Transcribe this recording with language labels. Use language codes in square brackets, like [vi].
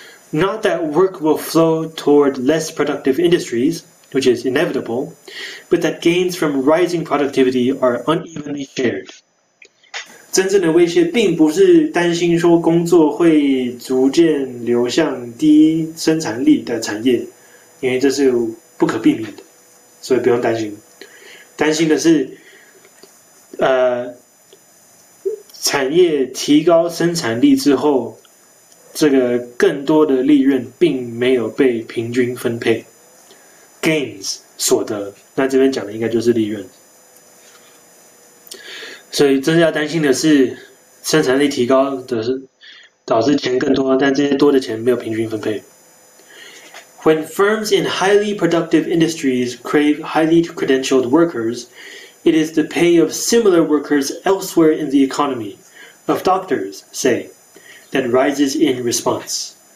[en] Not that work will flow toward less productive industries, which is inevitable, but that gains from rising productivity are unevenly shared。 [zh] 真正的威胁并不是担心说工作会逐渐流向低生产力的产业，因为这是不可避免的，所以不用担心。担心的是，产业提高生产力之后，这个更多的利润并没有被平均分配，gains 所得，那这边讲的应该就是利润。所以，真正要担心的是，生产力提高的是导致钱更多，但这些多的钱没有平均分配。 [en] When firms in highly productive industries crave highly credentialed workers, it is the pay of similar workers elsewhere in the economy, of doctors, say, that rises in response.